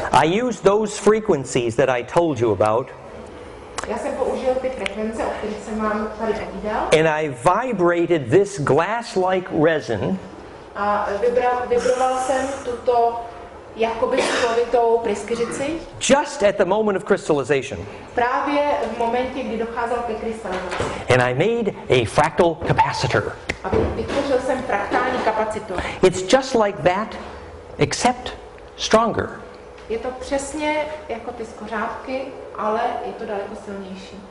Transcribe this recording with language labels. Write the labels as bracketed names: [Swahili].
[English] I used those frequencies that I told you about. [Czech] Já jsem použil ty frekvence, o kterých jsem vám tady povídal. [English] And I vibrated this glass-like resin. [Czech] A vibroval jsem tuto jakoby sklovitou pryskyřici. [English] Just at the moment of crystallization. [Czech] Právě v momentě, kdy docházel ke krystalizaci. [English] And I made a fractal capacitor. [Czech] A vytvořil jsem fraktální kapacitor. [English] It's just like that, except stronger. [Czech] Je to přesně jako ty skořápky, ale je to daleko silnější.